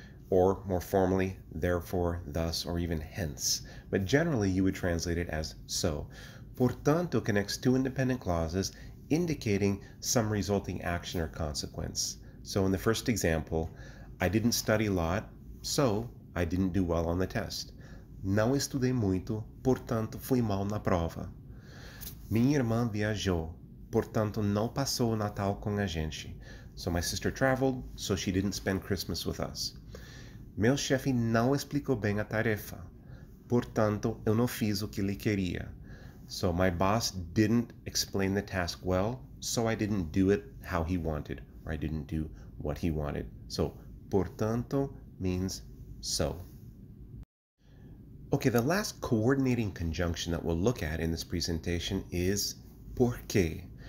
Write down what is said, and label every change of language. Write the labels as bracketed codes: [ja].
[en] Or more formally, therefore, thus, or even hence. But generally, you would translate it as so. Portanto connects two independent clauses indicating some resulting action or consequence. So, in the first example, I didn't study a lot, so I didn't do well on the test. [pt] Não estudei muito, portanto fui mal na prova. Minha irmã viajou, portanto não passou o Natal com a gente. [en] So my sister traveled, so she didn't spend Christmas with us. [pt] Meu chefe não explicou bem a tarefa, portanto eu não fiz o que ele queria. [en] So my boss didn't explain the task well, so I didn't do it how he wanted, or I didn't do what he wanted. So portanto means so. Okay, the last coordinating conjunction that we'll look at in this presentation is porque.